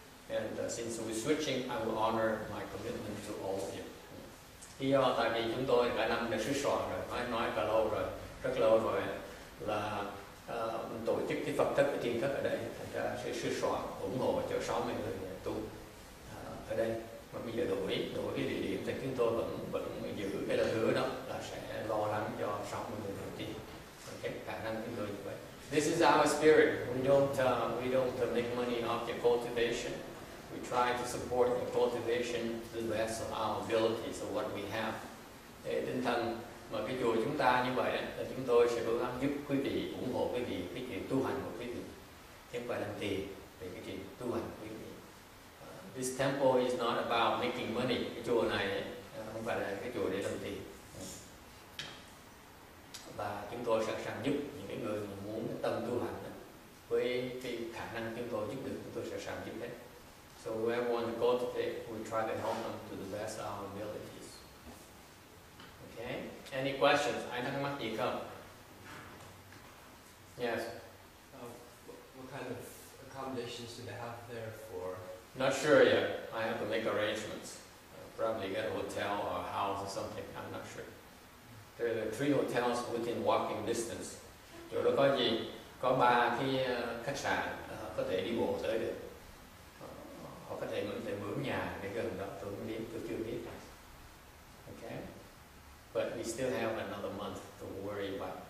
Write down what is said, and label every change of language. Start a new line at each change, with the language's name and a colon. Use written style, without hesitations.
English: And since we're switching, I will honor my commitment to all of you.
Vietnamese: Thứ do tại vì chúng tôi cả năm đã sứt sòn rồi, phải nói cả lâu rồi, rất lâu rồi là tổ chức cái Phật thất, cái thiên thất ở đây, thành ra sẽ sứt sòn ủng hộ cho 60 người nhà tu ở đây. Mà bây giờ đổi cái địa điểm thì chúng tôi vẫn giữ cái lời hứa đó là sẽ lo lắng cho 60 người đầu tiên. Okay, khả năng chúng tôi như vậy.
English: This is our spirit. We don't make money off the cultivation. We try to support the cultivation to the best of our abilities of what we have.
Vietnamese: Để tinh thần mà cái chùa chúng ta như vậy là chúng tôi sẽ cố gắng giúp quý vị, ủng hộ quý vị cái chuyện tu hành của quý vị. Chẳng phải làm tiền về cái chuyện tu hành của quý vị.
English: This temple is not about making money.
Vietnamese: Cái chùa này không phải là cái chùa để làm tiền. Và chúng tôi sẵn sàng giúp những người muốn tâm tu hành với cái khả năng chúng tôi giúp được, chúng tôi sẽ sẵn giúp hết.
English: So whoever wants to go to it, we try to help them to the best of our abilities. Okay? Any questions?
Vietnamese: Ai thắc mắc gì không?
English: Yes. What kind of accommodations do they have there for? Not sure yet. I have to make arrangements. Probably get a hotel or a house or something. I'm not sure. There are three hotels within walking distance.
Vietnamese: Chỗ đó có gì? Có ba cái khách sạn có thể đi bộ tới được. Họ có thể mượn nhà để gần đó. Tôi chưa biết. Okay.
English: But we still have another month to worry about.